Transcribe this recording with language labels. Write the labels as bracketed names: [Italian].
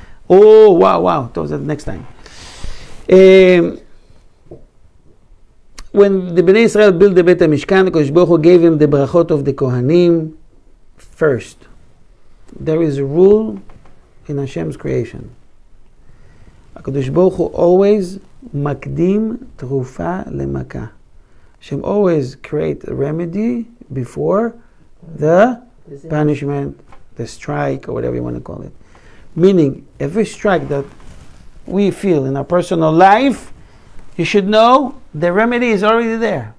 [English] Oh, wow. Those are the next time. When the Bnei Israel built the Beit HaMishkan, Kodesh Baruch Hu gave him the brachot of the Kohanim first. There is a rule in Hashem's creation. [Hebrew] הקדוש ברוך הוא always מקדים תרופה למכה. [English] Hashem always create a remedy before the punishment, the strike, or whatever you want to call it. Meaning, every strike that we feel in our personal life, you should know the remedy is already there.